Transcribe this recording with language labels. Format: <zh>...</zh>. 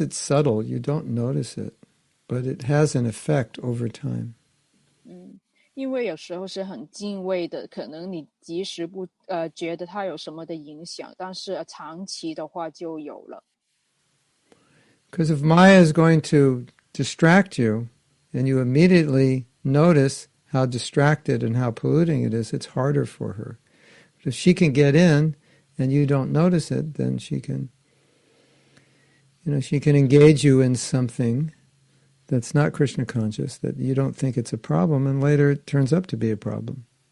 <en>it's subtle, you don't notice it, but it has an effect over time.</en> <zh>因为有时候是很敬畏的，可能你即使不觉得它有什么的影响，但是长期的话就有了。</zh> <en>Because if Maya is going to distract you and you immediately notice how distracted and how polluting it is, it's harder for her. But if she can get in and you don't notice it, then she can engage you in something that's not Krishna conscious, that you don't think it's a problem, and later it turns up to be a problem.</en>